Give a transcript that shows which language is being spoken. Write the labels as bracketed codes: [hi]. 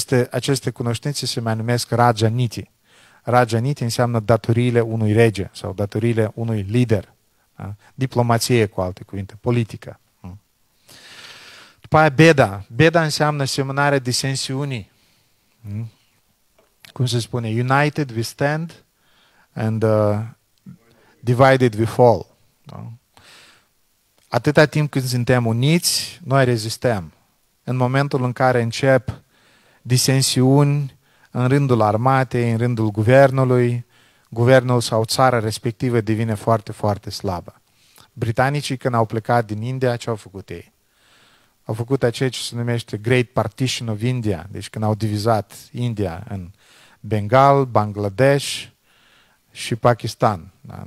[ro] Aceste cunoștințe se mai numesc Rajaniti. Rajaniti înseamnă datoriile unui rege sau datoriile unui lider. Diplomație, cu alte cuvinte, politică. După aia Beda. Beda înseamnă semânarea disensiunii. Cum se spune? [en] United we stand and divided we fall. [ro] Atâta timp cât suntem uniți, noi rezistăm. În momentul în care încep disensiuni în rândul armatei, în rândul guvernului, guvernul sau țara respectivă devine foarte, foarte slabă. Britanicii, când au plecat din India, ce au făcut ei? Au făcut ceea ce se numește Great Partition of India, deci când au divizat India în Bengal, Bangladesh și Pakistan. Da?